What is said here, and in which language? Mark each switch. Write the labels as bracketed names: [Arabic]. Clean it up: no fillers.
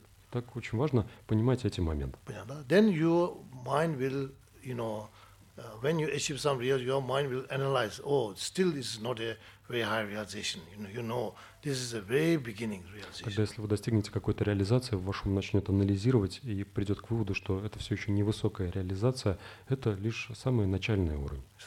[Russian] Так очень важно понимать эти моменты. [English] Then your mind will, you know, when you achieve some realization, your mind will analyze, oh, still this is not a very high realization. You know, this is a very beginning realization. [Russian] Тогда, если вы достигнете какой-то реализации, ваш ум начнет анализировать и придет к выводу, что это все еще невысокая реализация, это лишь самый начальный уровень.